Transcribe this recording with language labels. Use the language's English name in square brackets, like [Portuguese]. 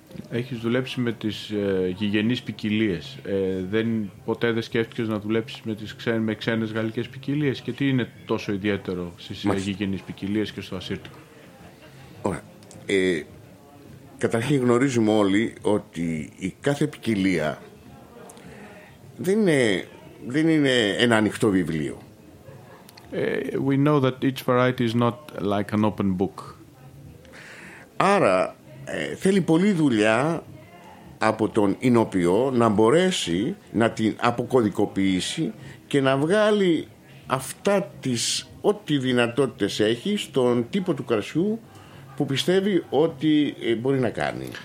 [Greek] Έχεις δουλέψει με τις γηγενείς ποικιλίες. Ποτέ δεν σκέφτηκες να δουλέψεις με ξένες γαλλικές ποικιλίες, και τι είναι τόσο ιδιαίτερο στις γηγενείς ποικιλίες και στο Ασύρτικο? Ωραία. Καταρχήν γνωρίζουμε όλοι ότι η κάθε ποικιλία δεν είναι ένα ανοιχτό βιβλίο. [English] We know that each variety is not like an open book. [Greek] Άρα θέλει πολλή δουλειά από τον εινοποιό να μπορέσει να την αποκωδικοποιήσει και να βγάλει αυτά τις ό,τι δυνατότητες έχει στον τύπο του κρασιού που πιστεύει ότι μπορεί να κάνει.